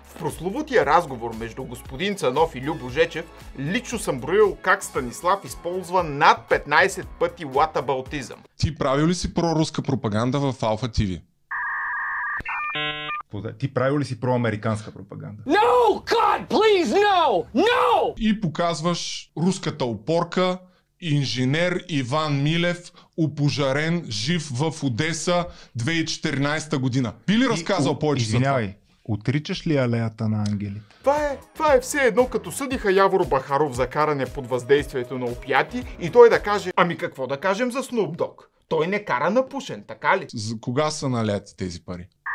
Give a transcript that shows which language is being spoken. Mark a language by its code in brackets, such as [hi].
[bg] В прословутия разговор между господин Цанов и Любо Жечев, лично съм броил как Станислав използва над 15 пъти whataboutism. Ти правил ли си проруска пропаганда в Алфа ТВ? Ти правил ли си проамериканска пропаганда? [en] No, God, please, no! No! [bg] И показваш руската опорка, инженер Иван Милев, опожарен, жив в Одеса 2014 година. Би ли разказал повече за това? Извинявай, отричаш ли алеята на ангелите? Това е все едно, като съдиха Явор Бахаров за каране под въздействието на опиати и той да каже, ами какво да кажем за Snoop Dogg? Той не кара напушен, така ли? За кога са наляти тези пари?